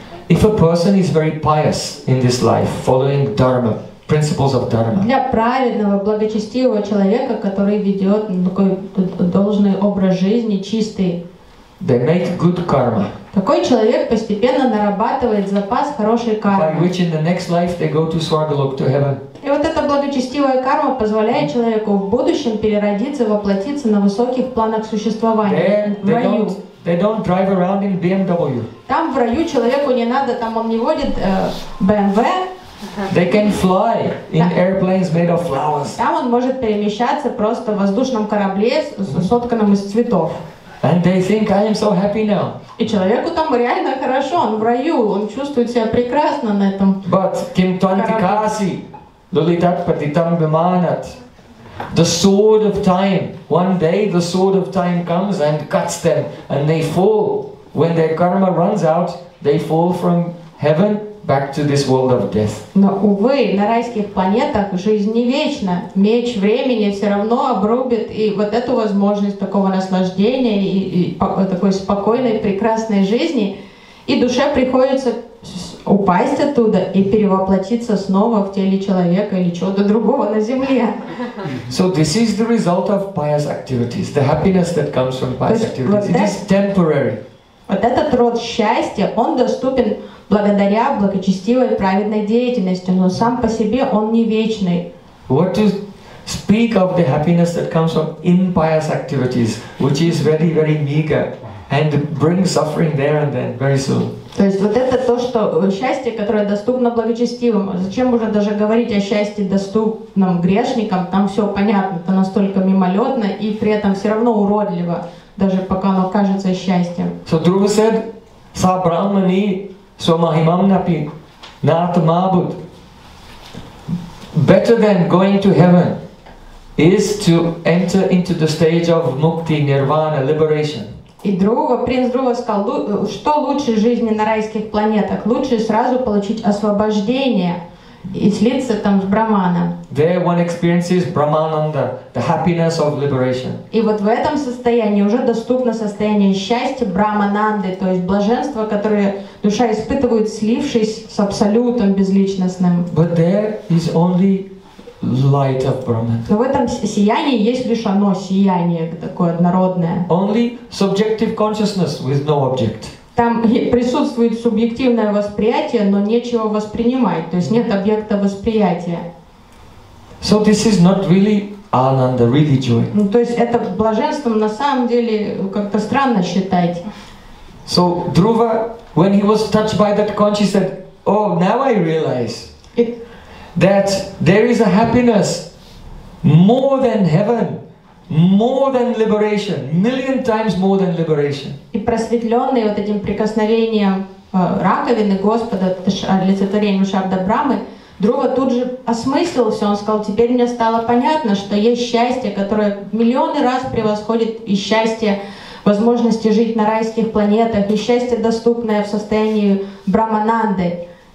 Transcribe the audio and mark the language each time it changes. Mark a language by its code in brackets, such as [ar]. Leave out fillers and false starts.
[en] If a person is very pious in this life, following dharma, principles of dharma. [ru] Для праведного, благочестивого человека, который ведет такой должный образ жизни, чистый. [en] They make good karma. [ru] Такой человек постепенно нарабатывает запас хорошей кармы. [en] By which in the next life they go to Swargalok, to heaven. [ru] И вот эта благочестивая карма позволяет человеку в будущем переродиться, воплотиться на высоких планах существования, в раю. [en] They don't drive around in BMW. [ru] Там в раю человеку не надо, там он не водит BMW. [en] They can fly in airplanes made of flowers. [ru] Там он может перемещаться просто в воздушном корабле, сотканном из цветов. [en] And they think, I am so happy now. [ru] И человеку там реально хорошо, он в раю, он чувствует себя прекрасно на этом. [sa] But kim tanti kasi, lulitat patitam vimanat. [en] The sword of time. One day the sword of time comes and cuts them, and they fall. When their karma runs out, they fall from heaven back to this world of death. [ru] Но, увы, на райских планетах жизнь не вечна. Меч времени все равно обрубит и вот эту возможность такого наслаждения и такой спокойной, прекрасной жизни. И душе приходится упасть оттуда и перевоплотиться снова в теле человека или чего-то другого на Земле. [en] So this is the result of pious activities. The happiness that comes from pious activities. It is temporary. [ru] Вот этот род счастья, он доступен благодаря благочестивой праведной деятельности, но сам по себе он не вечный. [en] What to speak of the happiness that comes from impious activities, which is very, very meager, and brings suffering there and then, very soon. [ru] То есть вот это то, что счастье, которое доступно благочестивым. Зачем уже даже говорить о счастье, доступном грешникам? Там все понятно, это настолько мимолетно и при этом все равно уродливо, даже пока оно кажется счастьем. [en] So Dhruva said, [sa] Са Брахмани Свамахимам Напи Наат Мабуд. [en] Better than going to heaven is to enter into the stage of Mukti, Nirvana, liberation. [ru] И Dhruva, принц Dhruva сказал, что лучше жизни на райских планетах? Лучше сразу получить освобождение и слиться там с Брахманом. [en] There one experiences Brahmananda, the happiness of liberation. [ru] И вот в этом состоянии уже доступно состояние счастья Брахмананды, то есть блаженство, которое душа испытывает, слившись с Абсолютом Безличностным. [en] But there is only light of Brahman. [ru] Но в этом сиянии есть лишь оно, сияние такое однородное. [en] Only subjective consciousness with no object. [ru] Там присутствует субъективное восприятие, но нечего воспринимать, то есть нет объекта восприятия. [en] So this is not really ananda, really joy. [ru] Ну, то есть это блаженством на самом деле как-то странно считать. [en] So Dhruva, when he was touched by that conscience, said, oh, now I realize that there is a happiness more than heaven, more than liberation, million times more than liberation. [ru] И просветленный вот этим прикосновением раковины Господа, олицетворением Шабдабрамы, Друга тут же осмыслил все, он сказал, теперь мне стало понятно, что есть счастье, которое миллионы раз превосходит и счастье возможности жить на райских планетах, и счастье, доступное в состоянии Брамананды.